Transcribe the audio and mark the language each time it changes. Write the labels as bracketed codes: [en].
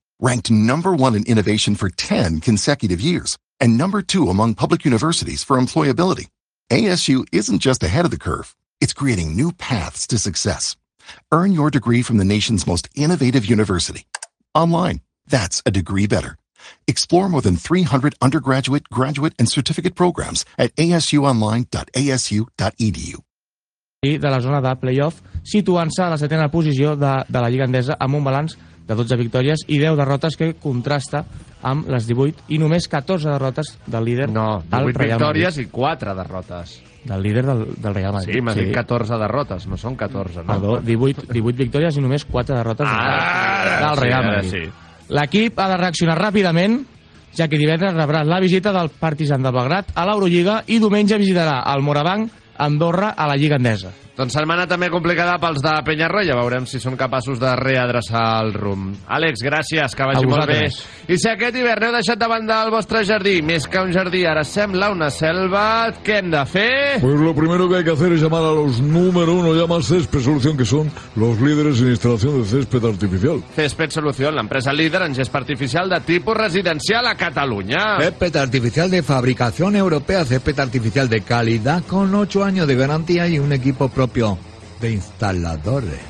[en] Ranked number one in innovation for 10 consecutive years and number two among public universities for employability, ASU isn't just ahead of the curve. It's creating new paths to success. Earn your degree from the nation's most innovative university. Online, that's a degree better. Explore more than 300 undergraduate, graduate, and certificate programs at asuonline.asu.edu. [ca] De la zona de playoff, situant-se a la setena posició de la Lliga Endesa amb un balanç de 12 victòries i 10 derrotes, que contrasta amb les 18 i només 14 derrotes del líder. No, 18 victòries i 4 derrotes. Del líder del Real Madrid. Sí, m'has dit 14 derrotes, no són 14. No? Perdó, 18 victòries i només 4 derrotes del Real Madrid. Sí. L'equip ha de reaccionar ràpidament, ja que divendres rebrà la visita del Partizan de Belgrat a l'Eurolliga i diumenge visitarà el Morabanc Andorra a la Lliga Endesa. Doncs setmana també complicada pels de Peñarroya. Veurem si són capaços de readreçar el rumb. Àlex, gràcies, que vagi molt bé. I si aquest hivern heu deixat de banda el vostre jardí, més que un jardí, ara sembla una selva, què hem de fer? [es] Pues lo primero que hay que hacer es llamar a los número uno, llama a Césped Solución, que son los líderes en instalación de césped artificial. [ca] Césped Solución, l'empresa líder en césped artificial de tipus residencial a Catalunya. [es] Césped artificial de fabricación europea, césped artificial de calidad, con 8 años de garantía y un equipo propio de instaladores.